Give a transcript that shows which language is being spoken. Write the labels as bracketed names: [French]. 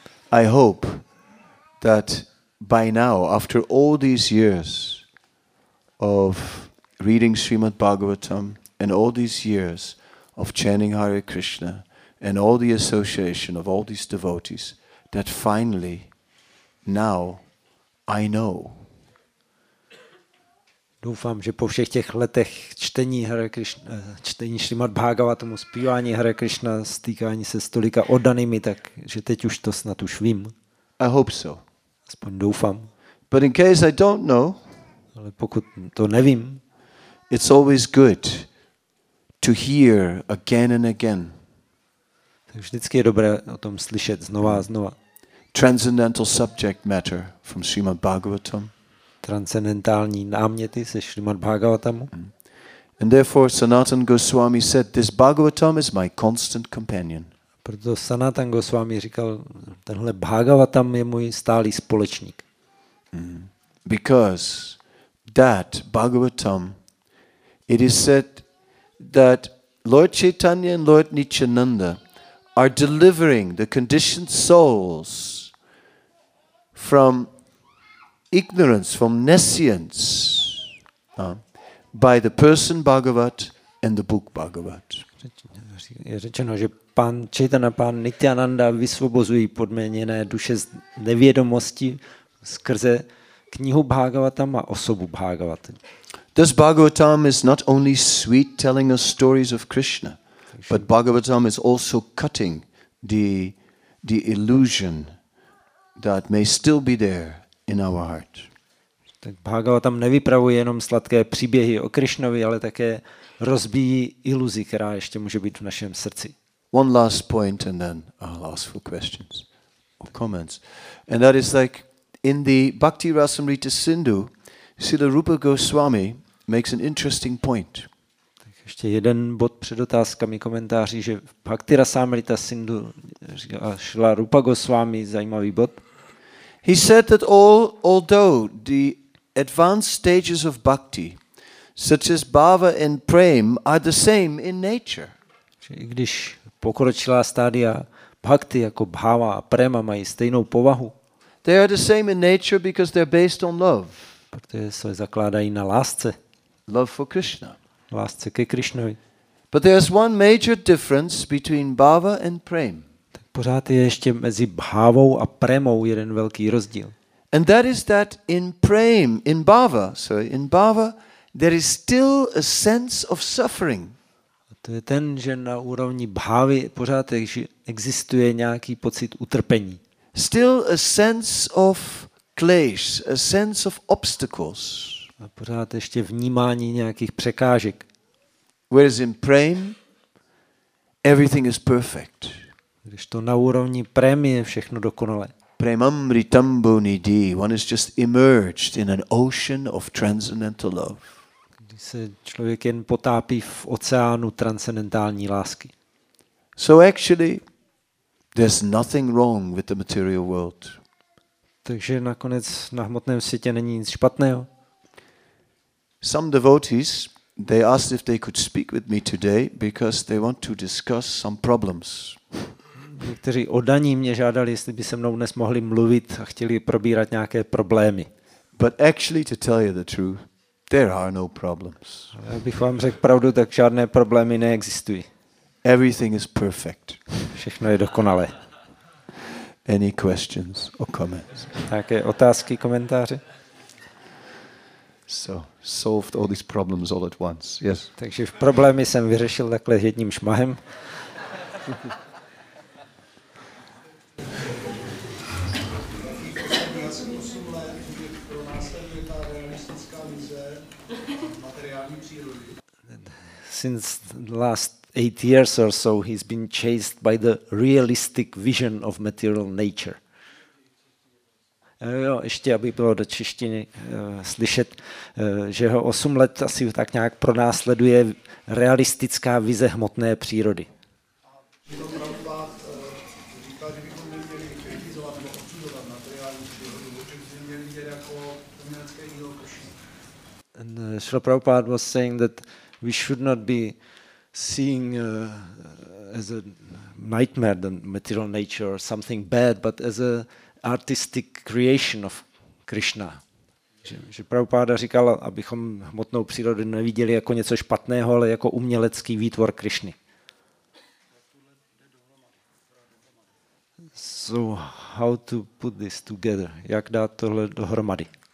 [English] I hope that by now, after all these years of reading Srimad Bhagavatam and all these years of chanting Hare Krishna and all the association of all these devotees, that finally, now, I know. [Czech] Doufám, že po všech těch letech čtení Hare Krishna, čtení Srimad Bhagavatamu, zpívání Hare Krishna, stýkání se s tolika oddanými, tak že teď už to snad už vím. [English] I hope so. [Czech] Aspoň doufám. [English] But in case I don't know, [Czech] ale pokud to nevím, [English] it's always good to hear again and again. [Czech] Tak vždycky je dobré o tom slyšet znova a znova. [English] Transcendental subject matter from Srimad Bhagavatam. [Czech] Transcendentální náměty se Srimad Bhagavatamu. [English] And therefore Sanatan Goswami said this Bhagavatam is my constant companion. [Czech] Proto Sanatan Goswami říkal tenhle Bhagavatam je můj stálý společník. [English] Because that Bhagavatam, it is said that Lord Chaitanya and Lord Nityananda are delivering the conditioned souls from ignorance, from nescience, by the person Bhagavat and the book Bhagavat. [Czech] Je řečeno, že pan Chaitanya, pan Nityananda vysvobozují podmíněné duše z nevědomosti skrze knihu Bhagavatam a osobu Bhagavat. [English] This Bhagavatam is not only sweet telling us stories of Krishna, but Bhagavatam is also cutting the illusion that may still be there in our heart. [Czech] Tak Bhagavatam nevypravuje jenom sladké příběhy o Krišnovi, ale také rozbíjí iluzi, která ještě může být v našem srdci. [English] One last point and then I'll ask for questions or comments. And that is like in the Bhakti Rasamrita Sindhu, Srila Rupa Goswami makes an interesting point. [Czech] Tak ještě jeden bod před otázkami, komentáři, že Bhakti Rasamrita Sindhu Srila Rupa Goswami zajímavý bod. [English] He said that although the advanced stages of bhakti, such as bhava and prema, are the same in nature. [Czech] I když pokročilá stádia bhakti jako bhava a prema mají stejnou povahu, [English] they are the same in nature because they're based on love. [Czech] Protože se zakládají na lásce. [English] Love for Krishna. [Czech] Lásce ke Krišnovi. [English] But there's one major difference between bhava and prema. [Czech] Pořád je ještě mezi bhávou a premou jeden velký rozdíl. [English] And that is that in bhava there is still a sense of suffering. [Czech] A to je ten, že na úrovni bhávy pořád existuje nějaký pocit utrpení. [English] Still a sense of klesh, a sense of obstacles. [Czech] A pořád ještě vnímání nějakých překážek. [English] Whereas in prem everything is perfect. [Czech] Když to na úrovni prémie všechno dokonalé. [English] premamritambo nidi, one is just immersed in an ocean of transcendental love. [Czech] Když se člověk jen potápí v oceánu transcendentální lásky. [English] So actually, there's nothing wrong with the material world. [Czech] Takže nakonec na hmotném světě není nic špatného. [English] Some devotees, they asked if they could speak with me today because they want to discuss some problems. [Czech] Někteří oddaní mě žádali, jestli by se mnou dnes mohli mluvit a chtěli probírat nějaké problémy. [English] But actually to tell you the truth, there are no problems. [Czech] Já bych vám řekl pravdu, tak žádné problémy neexistují. [English] Everything is perfect. [Czech] Všechno je dokonalé. [English] Any questions or comments? [Czech] Nějaké otázky, komentáře? [English] So, solved all these problems all at once. Yes. [Czech] Takže v problémy jsem vyřešil takhle jedním šmahem. [English] Since the last 8 years or so, he's been chased by the realistic vision of material nature. [Czech] Jo, ještě, aby bylo do češtiny slyšet, že ho 8 let asi tak nějak pronásleduje realistická vize hmotné přírody. [English] And Srila Prabhupada was saying that we should not be seeing as a nightmare the material nature or something bad, but as a artistic creation of Krishna. [Czech] Že Prabhupada říkal, abychom hmotnou přírodu neviděli jako něco špatného, ale jako umělecký výtvor Krišny. [English] So how to put this together? [Czech] Jak dát tohle dohromady?